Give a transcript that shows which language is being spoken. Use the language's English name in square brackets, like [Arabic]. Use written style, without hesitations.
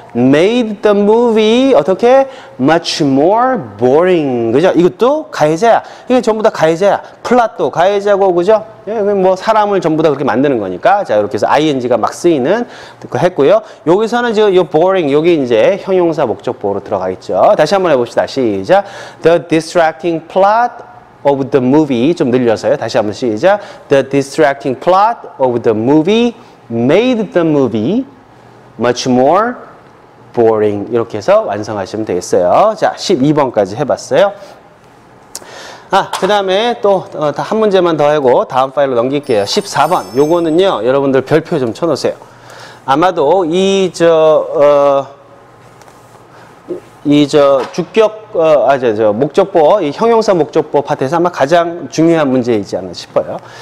[English] made the movie [Korean] 어떻게? [English] much more boring. [Korean] 그죠? 이것도 가해자야. 이게 전부 다 가해자야. 플롯도 가해자고. 그죠? 뭐 사람을 전부 다 그렇게 만드는 거니까. 자, 이렇게 해서 ing가 막 쓰이는 그 했고요. 여기서는 지금 요 boring 여기 이제 형용사 목적보어로 들어가겠죠. 다시 한번 해 봅시다. 시작. [English] The distracting plot of the movie [Korean] 좀 늘려서요. 다시 한번 시작. [English] The distracting plot of the movie made the movie much more boring. [Korean] 이렇게 해서 완성하시면 되겠어요. 자, 12번까지 해봤어요. 아, 그 다음에 또 한 문제만 더 하고 다음 파일로 넘길게요. 14번. 요거는요, 여러분들 별표 좀 쳐놓으세요. 아마도 목적보어, 이 형용사 목적보어 파트에서 아마 가장 중요한 문제이지 않나 싶어요.